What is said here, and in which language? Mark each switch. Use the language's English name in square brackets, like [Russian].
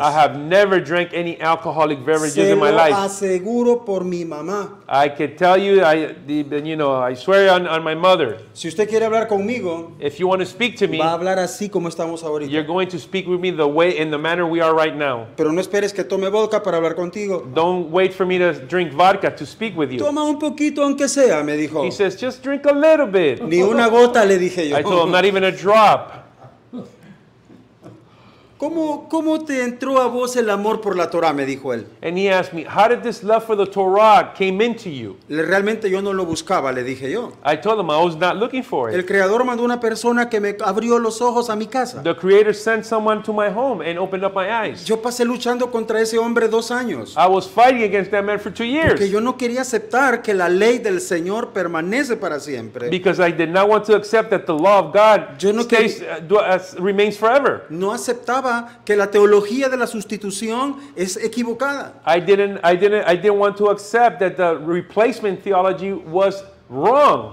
[English] I have never drank any alcoholic beverages in my life. [Spanish] Se lo aseguro por mi mamá. [English] I can tell you, I swear on my mother. [Spanish] Si usted quiere hablar conmigo, [English] if you want to speak to me, [Spanish] va a hablar así como estamos ahorita. [English] You're going to speak with me the way in the manner we are right now. [Spanish] Pero no esperes que tome vodka para hablar contigo. [English] Don't wait for me to drink vodka to speak with you. [Spanish] Toma un poquito aunque sea, me dijo. [English] He says, just drink a little bit. [Spanish] Ni una gota, le dije yo. [English] I told him, not even a drop. [Spanish] ¿Cómo te entró a vos el amor por la Torá? Me dijo él. [English] And he asked me, how did this love for the Torah came into you? [Spanish] Realmente yo no lo buscaba, le dije yo. [English] I told him I was not looking for it. [Spanish] El Creador mandó una persona que me abrió los ojos a mi casa. [English] The Creator sent someone to my home and opened up my eyes. [Spanish] Yo pasé luchando contra ese hombre 2 años. [English] I was fighting against that man for 2 years. [Spanish] Porque yo no quería aceptar que la ley del Señor permanece para siempre. [English] Because I did not want to accept that the law of God remains forever. [Spanish] No aceptaba que la teología de la sustitución es equivocada. [English] I didn't want to accept that the replacement theology was wrong.